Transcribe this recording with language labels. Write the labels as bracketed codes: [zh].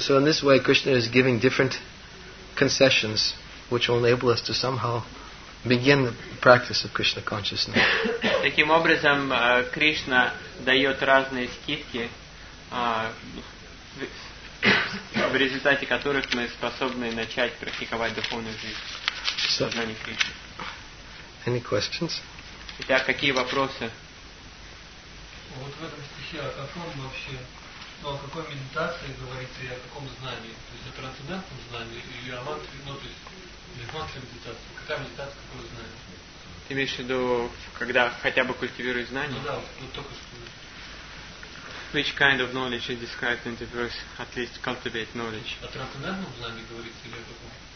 [en] So in this way, Krishna is giving different concessions, which will enable us to somehow begin the practice of Krishna consciousness. [ru] Таким образом, Кришна дает разные скидки, в результате которых мы способны начать практиковать духовную жизнь. [en] So, any questions? [ru] Итак, какие вопросы? Вот в этом стихе о каком вообще, о какой медитации говорится и о каком знании? То есть о трансцендентном знании или о мантре, то есть или мантре медитации? Какая медитация, какое знание? Ты имеешь в виду, когда хотя бы культивируешь знание? Ну да, вот только что. [en] Which kind of knowledge is described in the verse, at least cultivate knowledge? [ru] О трансцендентном знании говорится или о каком?